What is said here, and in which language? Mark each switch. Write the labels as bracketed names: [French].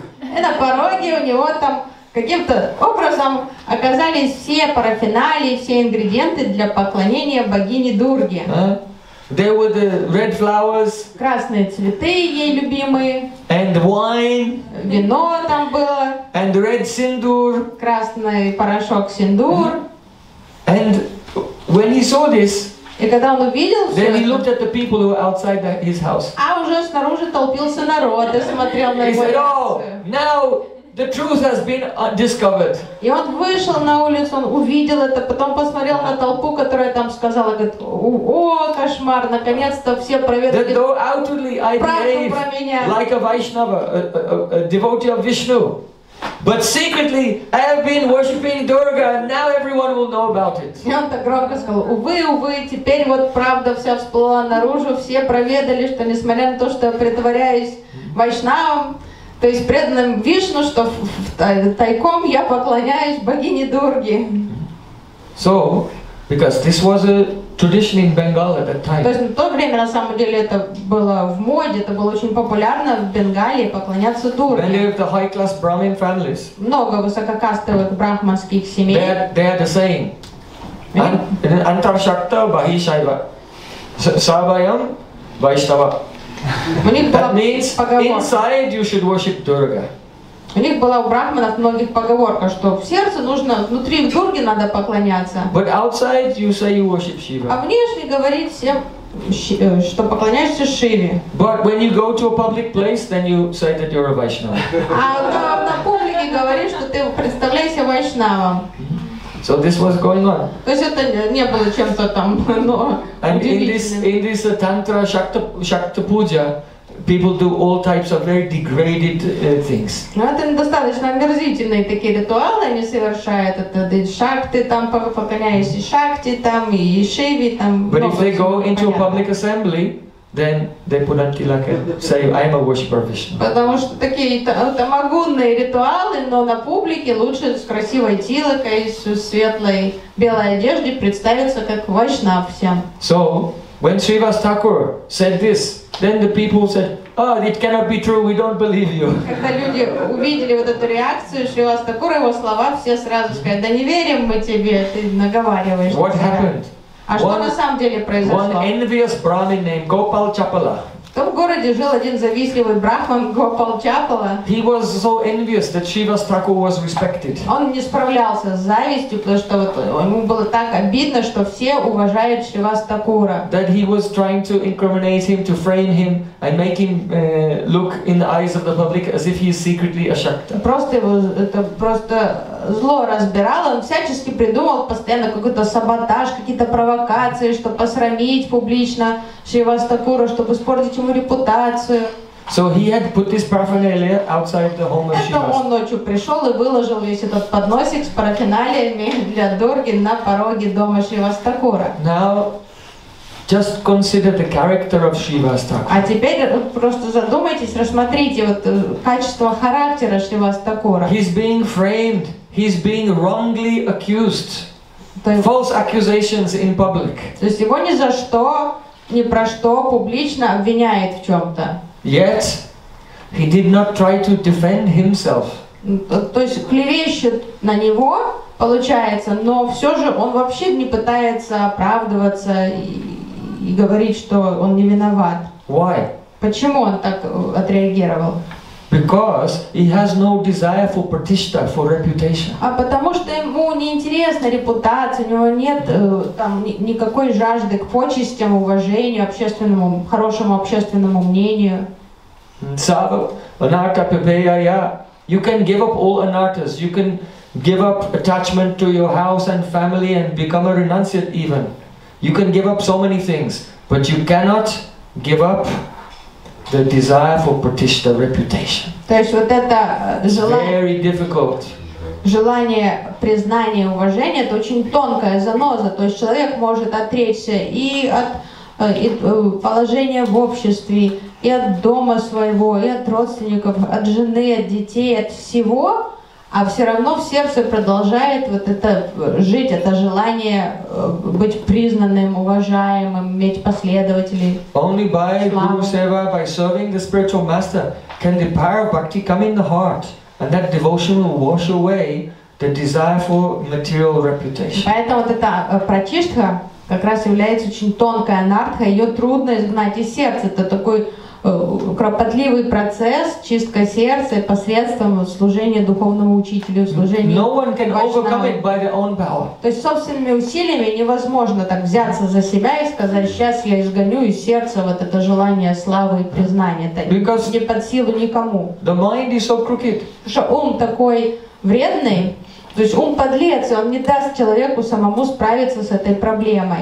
[Russian] И на пороге у него там каким-то образом оказались все парафиналии, все ингредиенты для поклонения богине Дурге. [English] There were the red flowers. [Russian] Красные цветы ей любимые. [English] And wine. [Russian] Вино там было. [English] And red sindur. [Russian] Красный порошок синдур. [English] And when he saw this, [Russian] и когда он увидел все, [English] then he looked at the people who were outside his house. [Russian] А уже снаружи толпился народ и смотрел на его реакцию. [English] The truth has been discovered. [Russian] И он вышел на улицу, он увидел это, потом посмотрел на толпу, которая там сказала, говорит, о, кошмар, наконец-то все проверили. [English] That though outwardly I behave like a Vaishnava, a devotee of Vishnu, but secretly I have been worshipping Durga, and now everyone will know about it. [Russian] И он так громко сказал, увы, увы, теперь вот правда вся всплыла наружу, все проведали, что несмотря на то, что я притворяюсь Вайшнавом, то есть преданным Вишну, что тайком я поклоняюсь богине Дурге. [English] So, because this was a tradition in Bengal at that time. [Russian] То есть в то время на самом деле это было в моде, это было очень популярно в Бенгалии поклоняться Дурге. [English] Many of the high-class Brahmin families. [Russian] Много высококастовых брахманских семей. [English] They are the saying. [Sanskrit] Antarshakta Bahishaiva. Sabayam Vaishnava. [English] That means inside you should worship Durga. [Russian] У них была у брахманов многих поговорка, что в сердце нужно, внутри в Дурге надо поклоняться. [English] But outside you say you worship Shiva. [Russian] А внешне говорит всем, что поклоняешься Шиве. [English] But when you go to a public place, then you say that you're a Vaishnava. [Russian] А на публике говорит, что ты представляешься Вайшнавом. [English] So this was going on. [Russian] То есть это не было чем-то там, но [English] and in this tantra shakta puja, people do all types of very degraded things. [Russian] Ну это достаточно омерзительные такие ритуалы, они совершают это шакты там поклоняясь и шакти там и Шиве там. [English] But if they go into a public assembly, then they put on tilaka, say, I am a worshipper of Vishnu. [Russian] Потому что такие тамагунные ритуалы, но на публике лучше с красивой тилакой, с светлой белой одеждой представиться как вайшнав всем. [English] So, when Shrivas Thakur said this, then the people said, oh, it cannot be true, we don't believe you. [Russian] Когда люди увидели вот эту реакцию Shrivas Thakur, его слова, все сразу сказали, да не верим мы тебе, ты наговариваешь. [English] What happened? [Russian] А что на самом деле произошло? [English] One envious Brahmin named Gopal Chapala. [Russian] В городе жил один завистливый брахман Гопал Чапала. [English] He was so envious that Shrivas Thakur was respected. [Russian] Он не справлялся с завистью, потому что вот ему было так обидно, что все уважают Шривас Такура. [English] That he was trying to incriminate him, to frame him, and make him look in the eyes of the public as if he is secretly a shakta. [Russian] Просто его это просто зло разбирало. Он всячески придумывал постоянно какой-то саботаж, какие-то провокации, чтобы посрамить публично Шривас Такура, чтобы испортить ему репутацию. [English] So he had put this paraphernalia outside the home of Shivas. [Russian] Это он ночью пришел и выложил весь этот подносик с парафиналиями для Дурги на пороге дома Шривас Такура. [English] Now, just consider the character of Shrivas Thakur. [Russian] А теперь просто задумайтесь, рассмотрите вот качество характера Шривас Такура. [English] He's being framed. He's being wrongly accused. False accusations in public. [Russian] То есть его ни за что, ни про что публично обвиняет в чем-то. [English] Yet he did not try to defend himself. [Russian] То есть клевещут на него, получается, но все же он вообще не пытается оправдываться и говорить, что он не виноват. [English] Why? [Russian] Почему он так отреагировал? [English] Because he has no desire for pratishtha, for reputation. [Russian] А потому что ему не интересна репутация, у него нет там никакой жажды к почестям, уважению, общественному, хорошему общественному мнению. [Sanskrit] Sava anarta pibhaya, [English] you can give up all anartas, you can give up attachment to your house and family and become a renunciate even. You can give up so many things, but you cannot give up the desire for pratishtha, reputation. [Russian] То есть вот это желание. [English] Very difficult. [Russian] Желание признания, уважения — это очень тонкая заноза. То есть человек может отречься и от положения в обществе, и от дома своего, и от родственников, от жены, от детей, от всего. А все равно в сердце продолжает вот это жить, это желание быть признанным, уважаемым, иметь последователей. [English] Only by guru seva, by serving the spiritual master, can the power of bhakti come in the heart, and that devotion will wash away the desire for material reputation. [Russian] Поэтому вот эта пратиштха как раз является очень тонкой анартхой, ее трудно изгнать из сердца. Это такой кропотливый процесс, чистка сердца посредством служения духовному учителю, служения. [English] No one can overcome it by their own power. [Russian] То есть собственными усилиями невозможно так взяться за себя и сказать: сейчас я изгоню из сердца вот это желание славы и признания. Это [English] because [Russian] не под силу никому. [English] The mind is so crooked. [Russian] Потому что ум такой вредный. То есть ум подлец, и он не даст человеку самому справиться с этой проблемой.